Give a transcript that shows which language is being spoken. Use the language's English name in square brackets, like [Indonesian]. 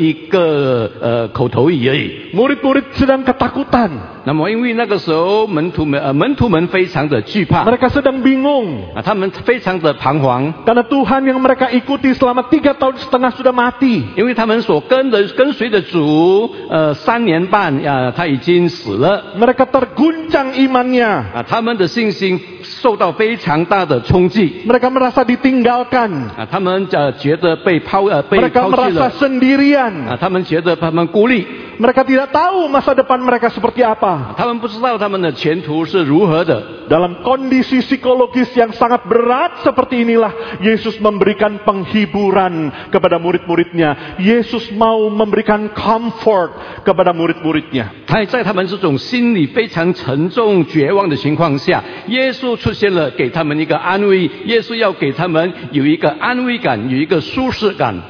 [Chinese] 但是当耶稣对他的门徒说，愿你们平安，是不是一个平常的一个口头语而已？ [Indonesian] Murid-murid sedang ketakutan. [Chinese] 那么因为那个时候门徒们非常的惧怕。 [Indonesian] Mereka sedang bingung. [Chinese] 他们非常的彷徨。 [Indonesian] Karena Tuhan yang mereka ikuti selama 3.5 tahun sudah mati. [Chinese] 因为他们所跟随的主三年半，他已经死了。 [Indonesian] Mereka terguncang imannya. [Chinese] 他们的信心受到非常 大的冲击, [Indonesian] mereka merasa ditinggalkan. [Chinese] 他们觉得被抛弃了。他们觉得他们孤立。 [Indonesian] Mereka tidak tahu masa depan mereka seperti apa. [Chinese] 他们不知道他们的前途是如何的。 [Indonesian] Dalam kondisi psikologis yang sangat berat seperti inilah, Yesus memberikan penghiburan kepada murid-muridnya. Yesus mau memberikan comfort kepada murid-muridnya. [Chinese] 在他们这种心里非常沉重绝望的情况下， 耶稣出现了给他们一个安慰， 耶稣要给他们有一个安慰感， 有一个舒适感。